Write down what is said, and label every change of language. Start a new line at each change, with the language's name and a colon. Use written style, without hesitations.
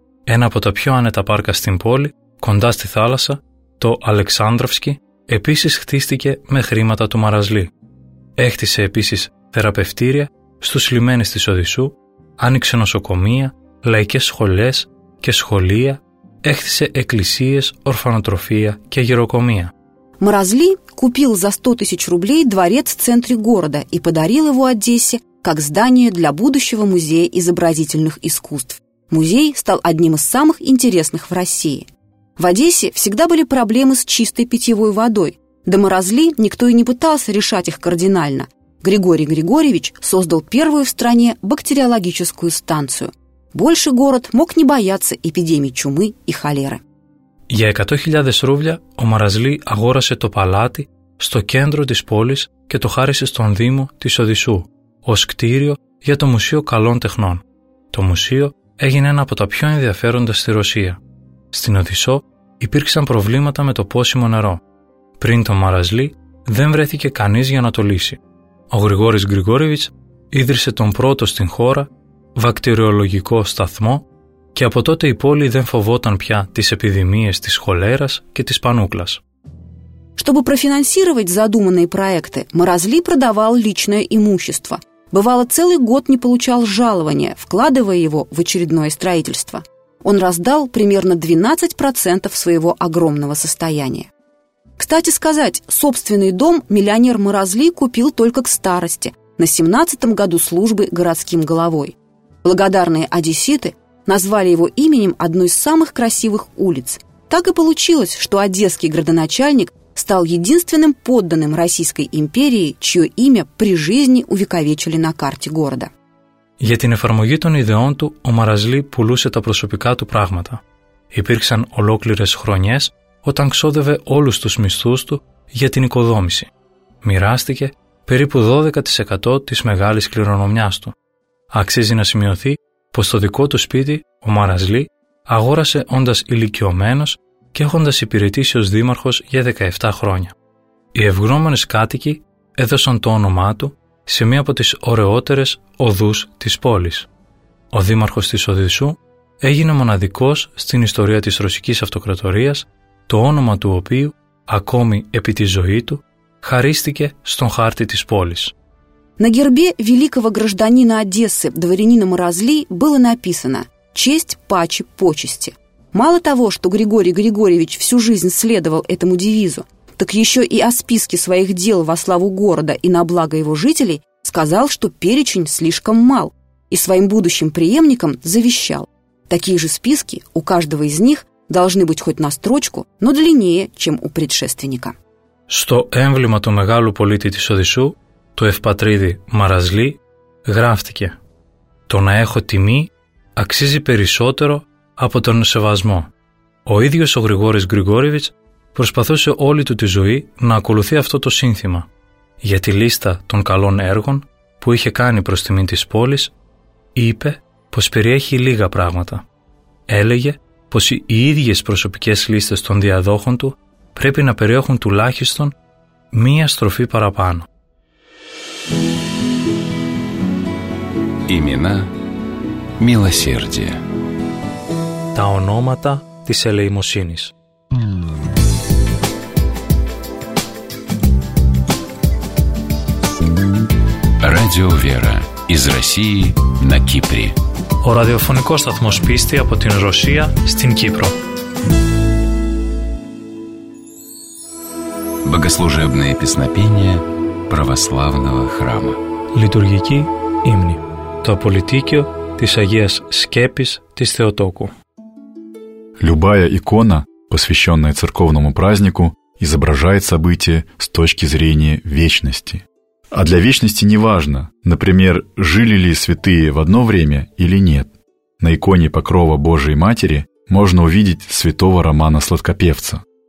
Greek: Ένα από τα πιο άνετα πάρκα στην πόλη, κοντά στη θάλασσα, το Αλεξάνδροφσκι, επίσης χτίστηκε με χρήματα του Μαραζλή. Έχτισε επίσης θεραπευτήρια στους λιμένες της Οδυσσού, άνοιξε νοσοκομεία, λαϊκές σχολές και σχολεία, έχτισε εκκλησίες, ορφανοτροφία και γεροκομεία.
Russian: Μαραζλή купил за 100 тысяч рублей дворец в центре города и подарил его Одессе как здание для будущего музея изобразительных искусств. Музей стал одним из самых интересных в России. В Одессе всегда были проблемы с чистой питьевой водой. До Мразли никто и не пытался решать их кардинально. Григорий Григорьевич создал первую в стране бактериологическую станцию. Больше город мог не бояться эпидемий чумы и холеры.
Greek: Για 100.000 ρούβλια ο Μαραζλή αγόρασε το παλάτι στο κέντρο της πόλης και το χάρισε στον Δήμο της Οδυσσού ως κτίριο για το Μουσείο Καλών Τεχνών. Το μουσείο έγινε ένα από τα πιο ενδιαφέροντα στη Ρωσία. Στην Οδυσσό υπήρξαν προβλήματα με το πόσιμο νερό. Πριν τον Μαραζλή δεν βρέθηκε κανείς για να το λύσει. Ο Γρηγόρης Γρηγόριεβιτς ίδρυσε τον πρώτο στην χώρα βακτηριολογικό σταθμό και από τότε η πόλη δεν φοβόταν πια τις επιδημίες της χολέρας και της πανούκλας.
Russian: Чтобы профинансировать задуманные проекты, Мразли продавал личное имущество. Бывало, целый год не получал жалования, вкладывая его в очередное строительство. Он раздал примерно 12% своего огромного состояния. Кстати сказать, собственный дом миллионер Морозли купил только к старости, на 17-м году службы городским головой. Благодарные одесситы назвали его именем одной из самых красивых улиц. Так и получилось, что одесский градоначальник стал единственным подданным Российской империи, чье имя при жизни увековечили на карте города.
Greek: Για την εφαρμογή των ιδεών του, ο Μαραζλή πουλούσε τα προσωπικά του πράγματα. Υπήρξαν ολόκληρες χρονιές όταν ξόδευε όλους τους μισθούς του για την οικοδόμηση. Μοιράστηκε περίπου 12% της μεγάλης κληρονομιάς του. Αξίζει να σημειωθεί πως στο δικό του σπίτι, ο Μαραζλή αγόρασε όντας ηλικιωμένος και έχοντας υπηρετήσει ως δήμαρχος για 17 χρόνια. Οι ευγνώμονες κάτοικοι έδωσαν το όνομά του σε μία από τις ωραιότερες οδούς της πόλης. Ο δήμαρχος της Οδυσσού έγινε μοναδικός στην ιστορία της Ρωσικής Αυτοκρατορίας, το όνομα του οποίου, ακόμη επί τη ζωή του, χαρίστηκε στον χάρτη της πόλης.
Russian: На гербе великого гражданина Одессы, дворянина Морозли, было написано «Честь паче почести». Мало того, что Григорий Григорьевич всю жизнь следовал этому девизу, так еще и о списке своих дел во славу города и на благо его жителей сказал, что перечень слишком мал, и своим будущим преемникам завещал. Такие же списки у каждого из них должны быть хоть на строчку, но длиннее, чем у предшественника.
Greek: Στο έμβλημα του μεγάλου πολίτη της Οδυσσού, το ευπατρίδι Μαραζλή, γράφτηκε «Το να έχω τιμή αξίζει περισσότερο από τον σεβασμό». Ο ίδιος ο Γρηγόρης Γρηγόρηβιτς προσπαθούσε όλη του τη ζωή να ακολουθεί αυτό το σύνθημα. Για τη λίστα των καλών έργων που είχε κάνει προς τιμήν της πόλης, είπε πως περιέχει λίγα πράγματα. Έλεγε πως οι ίδιες προσωπικές λίστες των διαδόχων του πρέπει να περιέχουν τουλάχιστον μία στροφή παραπάνω.
Russian: Имена милосердия.
Greek: Τα ονόματα της ελεημοσύνης.
Russian: Радио Вера из России на Кипре.
Greek: О радиофонико сатмос писти από την Ρωσία στην Κύπρο.
Russian: Богослужебное песнопение православного храма.
Greek: Литургики имни. Το πολιτίκιο της Αγίας Σκέπης της Θεοτόκου.
Russian: Любая икона, посвященная церковному празднику, изображает события с точки зрения вечности. А для вечности не важно, например, жили ли святые в одно время или нет. На иконе Покрова Божией Матери можно увидеть святого Романа Сладкопевца.